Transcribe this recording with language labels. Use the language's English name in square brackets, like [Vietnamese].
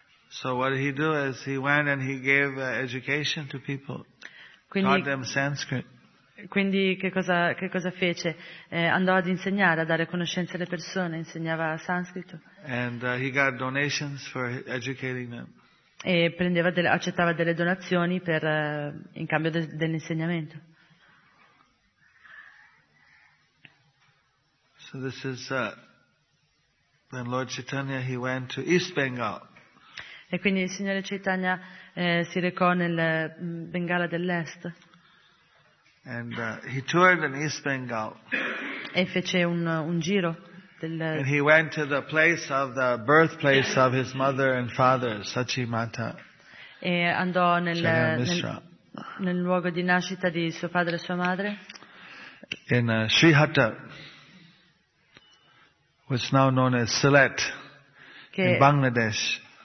[English] So what did he do is he went and he gave education to people. [Italian] Quindi, [English] taught them Sanskrit. [Italian] Quindi che cosa fece? Andò ad insegnare, a dare conoscenze alle persone, insegnava sanscrito. [English] And he got donations for educating them. [Italian] E accettava delle donazioni per in cambio dell'insegnamento. [English] So this is when Lord Chaitanya he went to East Bengal. [Italian] E quindi il signore Chaitanya si recò nel Bengala dell'Est. [English] And he toured in East Bengal. [Italian] E fece un giro del. [English] And he went to the place of the birthplace of his mother and father, Sachimata. [Italian] E andò nel luogo di nascita di suo padre e sua madre. [English] In Srihatta. What's now known as Sylhet in Bangladesh.